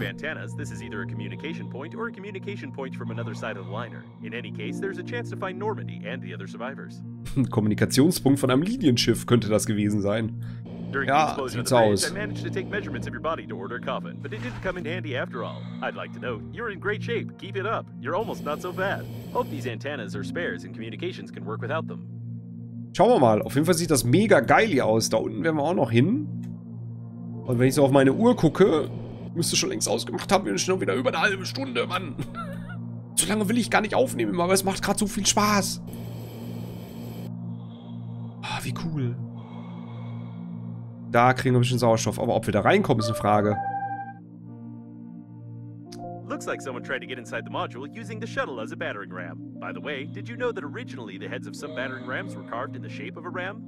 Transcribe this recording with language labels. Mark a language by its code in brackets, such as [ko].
[en] Antennas, this is either a communication point or a communication point from another side of the liner. In any case, there's a chance to find Normandy and the other survivors. [de] Kommunikationspunkt von einem Linienschiff könnte das gewesen sein. Ja, sieht's aus. [en] I managed to take measurements of your body to order a coffin, but it didn't come in handy after all. I'd like to note, you're in great shape. Keep it up. You're almost not so bad. Hope these antennas are spares and communications can work without them. [de] Schauen wir mal. Auf jeden Fall sieht das mega geil hier aus. Da unten werden wir auch noch hin. Und wenn ich so auf meine Uhr gucke, müsste schon längst ausgemacht haben, wir sind schon wieder über eine halbe Stunde, Mann. So lange will ich gar nicht aufnehmen, aber es macht gerade so viel Spaß. Ah, wie cool. Da kriegen wir ein bisschen Sauerstoff, aber ob wir da reinkommen, ist eine Frage. [en] Looks like someone tried to get inside the module using the shuttle as a battering ram. By the way, did you know that originally the heads of some battering rams were carved in the shape of a ram?